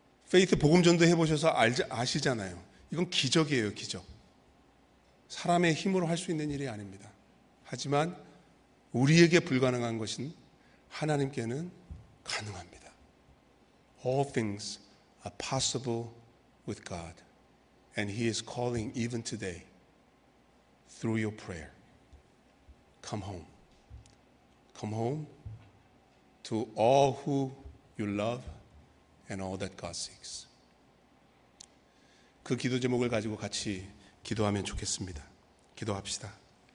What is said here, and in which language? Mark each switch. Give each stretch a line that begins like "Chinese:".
Korean: 페이트 복음전도 해보셔서 아시잖아요. 이건 기적이에요, 기적. 사람의 힘으로 할 수 있는 일이 아닙니다. 하지만 우리에게 불가능한 것은 하나님께는 가능합니다.
English: All things are possible with God. And he is calling even today through your prayer. Come home. Come home to all who you love and all that God seeks.
Korean: 그 기도 제목을 가지고 같이 기도하면 좋겠습니다. 기도합시다.